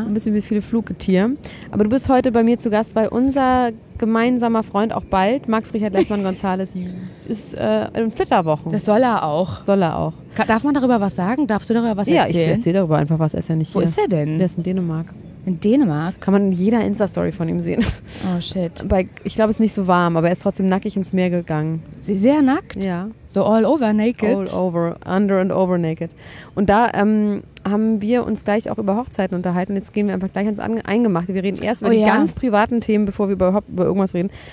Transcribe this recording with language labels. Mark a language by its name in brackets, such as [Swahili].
[German] Ein bisschen viele Fluggetier. Aber du bist heute bei mir zu Gast, weil unser gemeinsamer Freund auch bald, Max-Richard Lessmann-Gonzalez, ist in Flitterwochen. Das soll er auch. Soll er auch. Darf man darüber was sagen? Darfst du darüber was erzählen? Ja, ich erzähle darüber einfach was. Er ist ja nicht hier. Wo ist er denn? Der ist in Dänemark. In Dänemark? Kann man in jeder Insta-Story von ihm sehen. [English] Oh, shit. [German] Ich glaube, es ist nicht so warm, aber er ist trotzdem nackig ins Meer gegangen. Sehr nackt? Ja. [English] So all over naked? All over, under and over naked. [German] Und da haben wir uns gleich auch über Hochzeiten unterhalten. Jetzt gehen wir einfach gleich ans Eingemachte. Wir reden erst über die ganz privaten Themen, bevor wir überhaupt über irgendwas reden.